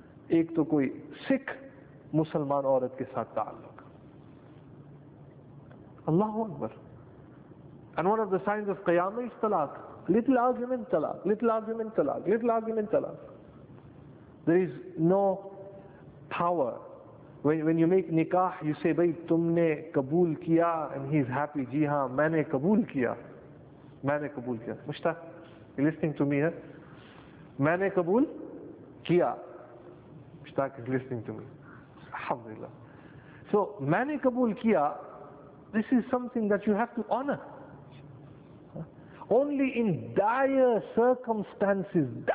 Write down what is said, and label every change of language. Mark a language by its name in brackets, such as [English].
[Hindi] Ek to koi Sikh Musliman aurat ke saath ta'alluq. [Arabic] Allahu Akbar. [English] And one of the signs of qiyamah is talaq. Little argument, talaq. Little argument, talaq. Little argument, talaq. There is no power when you make nikah, you say, [Hindi] भाई, तुमने कबूल किया, [English] and he's happy, [Hindi] जी हाँ, मैंने कबूल किया. मैंने कबूल किया. [English] Mushtaq, you're listening to me, huh? [Hindi] मैंने कबूल किया. [English] Mushtaq is listening to me. [Arabic] Alhamdulillah. [English] So, [Hindi] maine kabool kiya, [English] this is something that you have to honor. Only in dire circumstances.